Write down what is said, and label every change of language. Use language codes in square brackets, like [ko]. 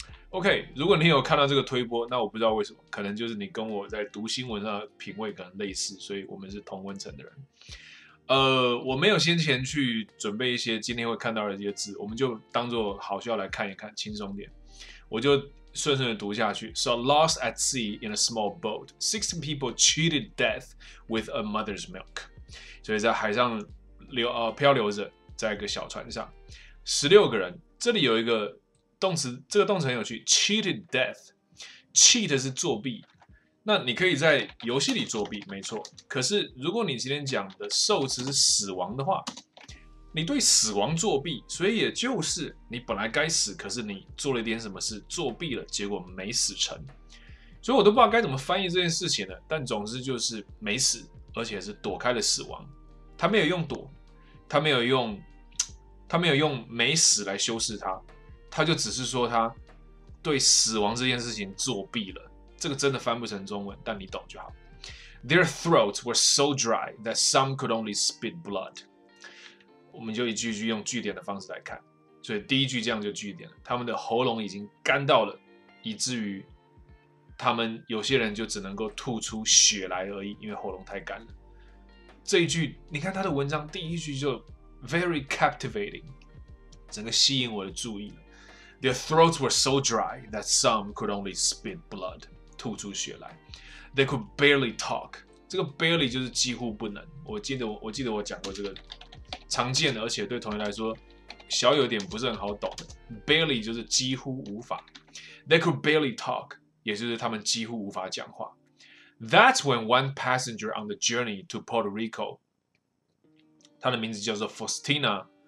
[zh] OK， 如果你有看到这个推播，那我不知道为什么，可能就是你跟我在读新闻上的品味可能类似，所以我们是同温层的人。我没有先前去准备一些今天会看到的一些字，我们就当作好笑来看一看，轻松点。我就顺顺的读下去。 [en] So lost at sea in a small boat, 16 people cheated death with a mother's milk. [zh] 所以在海上漂流着，在一个小船上，16个人。这里有一个动词，这个动词很有趣 ， [en] cheated death。 [zh] Cheat 是作弊。那你可以在游戏里作弊，没错。可是如果你今天讲的受词是死亡的话，你对死亡作弊，所以也就是你本来该死，可是你做了一点什么事作弊了，结果没死成。所以我都不知道该怎么翻译这件事情了。但总之就是没死，而且是躲开了死亡。他没有用躲，他没有用没死来修饰他，他就只是说他对死亡这件事情作弊了。这个真的翻不成中文，但你懂就好。 [en] Their throats were so dry that some could only spit blood. [zh] 我们就一句一句用句点的方式来看，所以第一句这样就句点了。他们的喉咙已经干到了，以至于他们有些人就只能够吐出血来而已，因为喉咙太干了。这一句，你看他的文章第一句就 [en] very captivating， [zh] 整个吸引我的注意了。 [en] Their throats were so dry that some could only spit blood. [zh] 吐出血来。 [en] They could barely talk. [zh] 这个 barely 就是几乎不能。我记得我讲过这个常见的，而且对同学来说小有点不是很好懂的。 Barely 就是几乎无法。 [en] They could barely talk， [zh] 也就是他们几乎无法讲话。 [en] That's when one passenger on the journey to Puerto Rico， [zh] 他的名字叫做 [en] Faustina。